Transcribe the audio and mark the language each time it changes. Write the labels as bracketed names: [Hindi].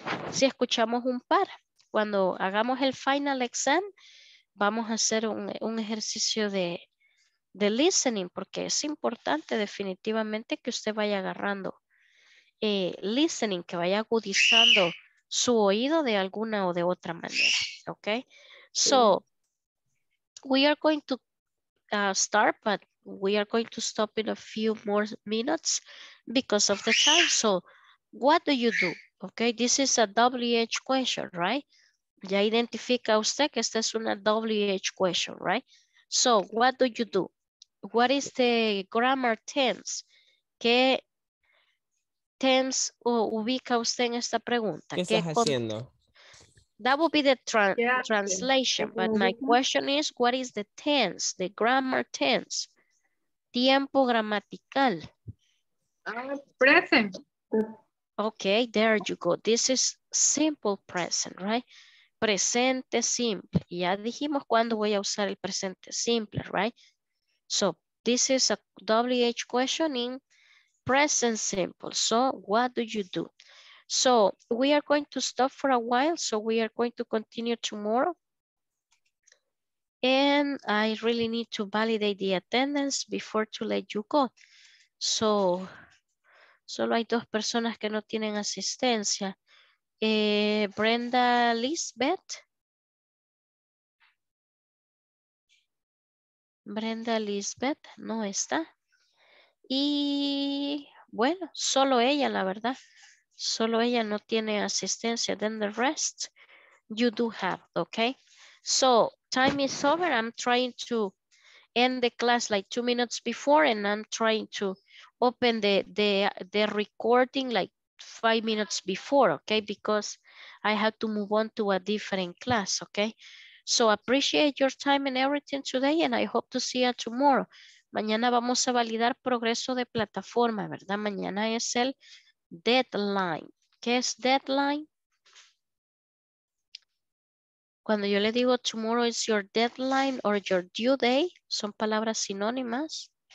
[Spanish] Si escuchamos un par, cuando hagamos el final exam, vamos a hacer un ejercicio de listening, porque es importante definitivamente que usted vaya agarrando listening, que vaya agudizando su oído de alguna o de otra manera, ¿ok? [English] So, we are going to start, but we are going to stop in a few more minutes because of the time. So, what do you do? Okay, this is a WH question, right? [Spanish] Ya identifica usted que esta es una WH question, right? [English] So, what do you do? What is the grammar tense? [Spanish] ¿Qué tense ubica usted en esta pregunta? ¿Qué estás haciendo? [English] That would be the translation, but my question is, what is the tense, the grammar tense? [Spanish] Tiempo gramatical. [English] Present. Okay, there you go. This is simple present, right? [Spanish] Presente simple. Ya dijimos cuándo voy a usar el presente simple, right? [English] So, this is a WH question in present simple. So, what do you do? So we are going to stop for a while. So we are going to continue tomorrow. And I really need to validate the attendance before to let you go. [Spanish] So solo hay dos personas que no tienen asistencia. Brenda Lisbeth. Brenda Lisbeth no está. Y bueno, solo ella, la verdad. Solo ella no tiene asistencia. [English] Then the rest you do have, okay? So time is over. I'm trying to end the class like 2 minutes before, and I'm trying to open the recording like 5 minutes before, okay? Because I have to move on to a different class, okay? So appreciate your time and everything today, and I hope to see you tomorrow. [Spanish] Mañana vamos a validar progreso de plataforma, ¿verdad? Mañana es el deadline. ¿Qué es deadline? Cuando yo le digo [English] tomorrow is your deadline or your due day, [Spanish] son palabras sinónimas.